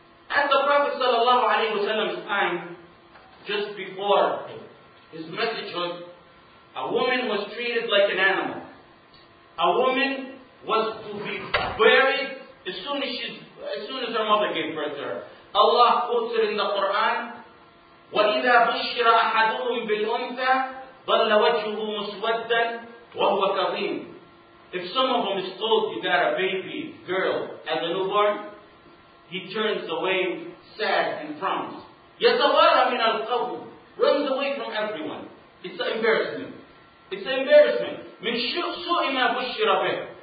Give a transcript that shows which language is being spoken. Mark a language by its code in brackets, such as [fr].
[en] At the Prophet sallallahu alayhi wa sallam's time, just before his messengerhood, a woman was treated like an animal. A woman was to be buried as soon as her mother gave birth to her. Allah quotes it in the Quran, [ar] وَإِذَا بُشِّرَ أَحَدُهُمْ بِالْأُنْثَى ضَلَّ وَجْهُهُ مُسْوَدًّا وَهُوَ كَظِيمٌ. [en] If some of them is told you got a baby girl as a newborn, he turns away sad and frowns. [ar] يَتَوَارَى مِنَ الْقَوْمِ, [en] runs away from everyone. It's an embarrassment. It's an embarrassment. [ar] من سوء ما بشر به.